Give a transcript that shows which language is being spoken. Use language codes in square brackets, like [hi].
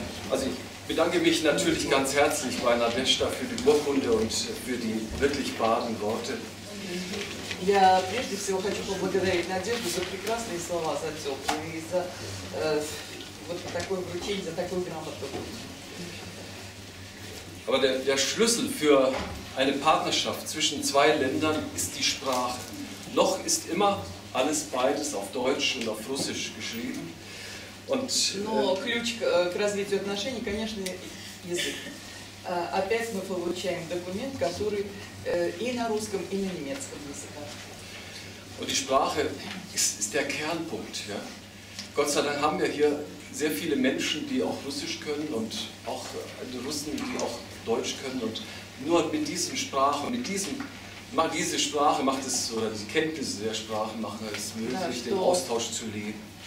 [de] Also ich bedanke mich natürlich ganz herzlich bei Nadezhda für die Urkunde und für die wirklich baden Worte. [ru] Я прежде всего хочу поблагодарить Надежду за прекрасные слова, за теплые, за вот такое вручение, за такую грамоту. [de] Aber der Schlüssel für eine Partnerschaft zwischen zwei Ländern ist die Sprache. Noch ist immer alles beides auf Deutsch und auf Russisch geschrieben. Und, [ru] Но ключ к развитию отношений, конечно, язык. Опять мы получаем документ, который и на русском, и на немецком языке. [de] Und die Sprache ist der Kernpunkt. Ja? Gott sei Dank haben wir hier sehr viele Menschen, die auch Russisch können und auch Russen, die auch Deutsch können. Und nur mit diesen Sprachen, mit diesem Macht diese Sprache, macht es, oder die Kenntnisse der Sprache machen es möglich, den Austausch zu leben.